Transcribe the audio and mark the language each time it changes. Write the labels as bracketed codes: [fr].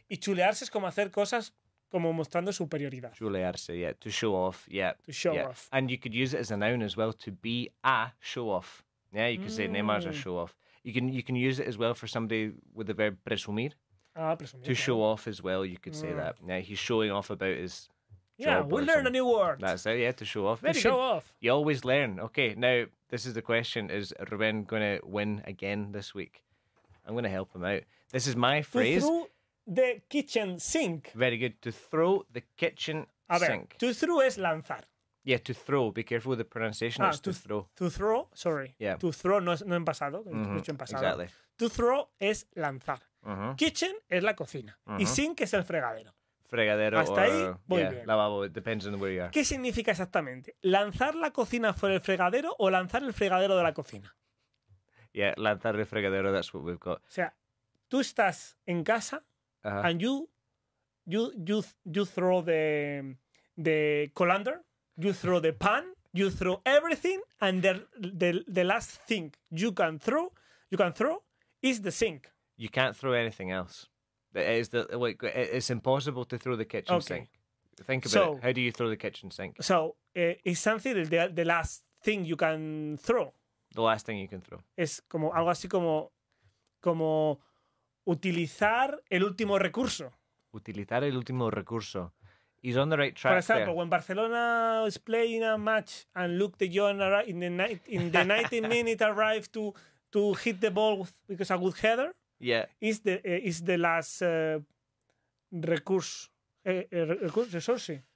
[es] Y chulearse es como hacer cosas como mostrando superioridad. [en] Chulearse, yeah. To show off, yeah. To show yeah. off. And you could use it as a noun as well, to be a show off. Yeah, you could say Neymar's a show off. You can use it as well for somebody with the verb presumir. Ah, presumir. To show off as well, you could say that. Yeah, he's showing off about his. Yeah, we learn a new word. That's it, yeah, to show off. To show off. You always learn. Okay, now, this is the question. Is Ruben going to win again this week? I'm going to help him out. This is my phrase. To throw the kitchen sink. Very good. To throw the kitchen sink. [es] To throw es lanzar. [en] Yeah, to throw. Be careful with the pronunciation. It's to throw. To throw, sorry. Yeah. [es] To throw, no en pasado. Mm-hmm. En pasado. [en] Exactly. [es] To throw es lanzar. Mm-hmm. Kitchen es la cocina. Mm-hmm. Y sink es el fregadero. Fregadero hasta [en] or, [es] ahí, voy [en] yeah, [es] bien. [en] Lavabo, it depends on where you are. [es] ¿Qué significa exactamente? ¿Lanzar la cocina fuera del fregadero o lanzar el fregadero de la cocina? [en] Yeah, [es] lanzar el fregadero, [en] that's what we've got. [es] O sea, tú estás en casa [en] and you throw the colander, you throw the pan, you throw everything and the last thing you can throw is the sink. You can't throw anything else. It's impossible to throw the kitchen sink. Think about it. How do you throw the kitchen sink? So, it's something that the last thing you can throw. The last thing you can throw. [es] Es como algo así como utilizar el último recurso. Utilizar el último recurso. [en] He's on the right track. For example, there. When Barcelona is playing a match and Luke de Jong in the 90 minute arrived to hit the ball because a good header. Yeah, is the last resource.